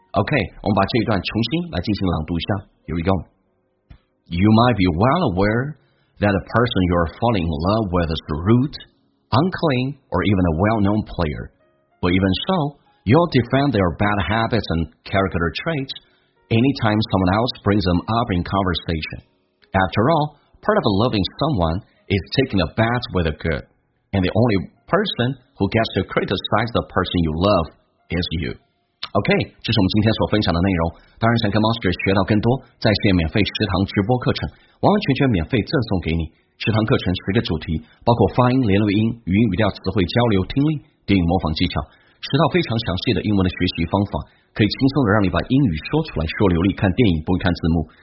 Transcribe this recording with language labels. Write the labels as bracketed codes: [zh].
[zh] OK， 我们把这一段重新来进行朗读一下。 [en] Here we go. You might be well aware that the person you are falling in love with is rude, unclean, or even a well-known player. But even so, you'll defend their bad habits and character traits anytime someone else brings them up in conversation. After all, part of loving someone is taking a bad with a good. And the only person who gets to criticize the person you love is you. [zh] OK， 这是我们今天所分享的内容。当然想跟 Monster 学到更多，在线免费食堂直播课程完完全全免费赠送给你。食堂课程十个主题，包括发音、连录音、语音语调、词汇交流、听力、电影模仿技巧，十套非常详细的英文的学习方法，可以轻松的让你把英语说出来，说流利，看电影不会看字幕。